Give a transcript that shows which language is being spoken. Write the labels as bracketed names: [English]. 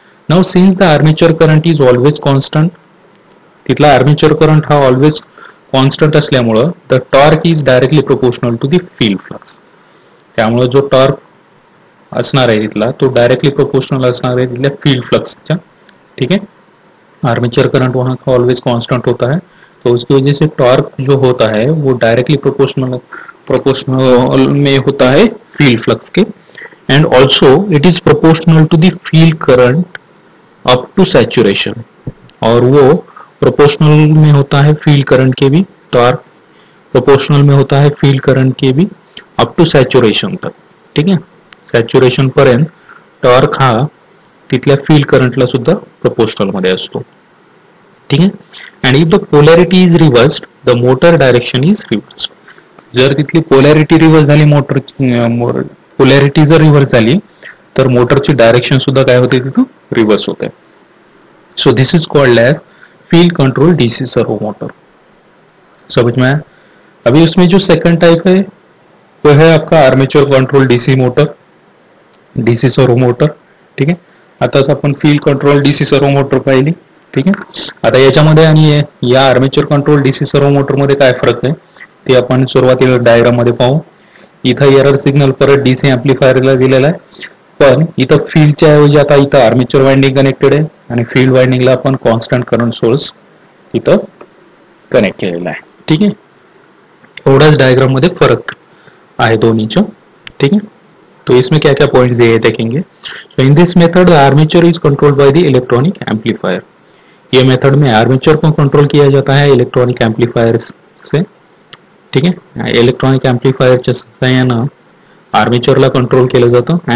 [English] now since the armature current is always constant, [Marathi] तिथला armature current हा always constant असल्यामुळं [English] The torque is directly proportional to the field flux. [Marathi] त्यामुळं जो torque असणार आहे तिथला तो डायरेक्टली प्रोपोर्शनल असणार आहे तिथल्या फील्ड फ्लक्सच्या, ठीक आहे. [Hindi] आर्मेचर करंट वहां का ऑलवेज कॉन्स्टंट होता है, तो उसकी वजह से टॉर्क जो होता है वो डायरेक्टली प्रोपोर्शनल में होता है फील्ड फ्लक्स के. [English] and also it is proportional to the field current up to saturation, [Hindi] और वो प्रोपोर्शनल में होता है फील्ड करंट के भी. टॉर्क प्रोपोर्शनल में होता है फील्ड करंट के भी अप टू सैचुरेशन तक, ठीक है. [Marathi] सैचुरेशन पर्यंत टॉर्क हा तिथल्या फील्ड करंटला सुद्धा प्रोपोर्शनल मध्ये असतो, ठीक आहे. [English] And if the polarity is reversed the motor direction is reversed. [Marathi] जर तिथली पोलॅरिटी रिव्हर्स झाली मोटर पोलॅरिटी जर रिव्हर्स झाली तर मोटरची डायरेक्शन सुद्धा काय होते तिथून रिव्हर्स होते. [English] So this is called lab field control DC servo motor. [Hindi] समझ में? अभी उसमें जो सेकंड टाइप है वो है आपका armature control DC motor, DC servo motor, ठीक है. [Marathi] आता आपण फील्ड कंट्रोल डीसी सर्वो मोटर पाहिली, ठीक आहे. आता याच्यामध्ये आणि या आर्मेचर कंट्रोल डीसी सर्वो मोटर मध्ये काय फरक आहे ते आपण सुरुवातीला डायग्राम मध्ये पाहू. इथं एरर सिग्नल परत डीसी अम्प्लिफायरला दिलेला आहे, पण इथं फील्डच्या ऐवजी आता इथं आर्मेचर वाइंडिंग कनेक्टेड आहे आणि फील्ड वाइंडिंगला आपण कॉन्स्टंट करंट सोर्स इथं कनेक्ट केलेला आहे, ठीक आहे. एवढाच डायग्राम मध्ये फरक आहे दोन्हीचं, ठीक आहे. [Hindi] तो इसमें क्या क्या पॉइंट्स दिए देखेंगे. [English] So in this method armature is controlled by the electronic amplifier. [Hindi] ये मेथड में आर्मेचर को कंट्रोल किया जाता है इलेक्ट्रॉनिक एम्पलीफायर से, ठीक है. इलेक्ट्रॉनिक एम्पलीफायर आर्मेचर ला कंट्रोल किया जाता है.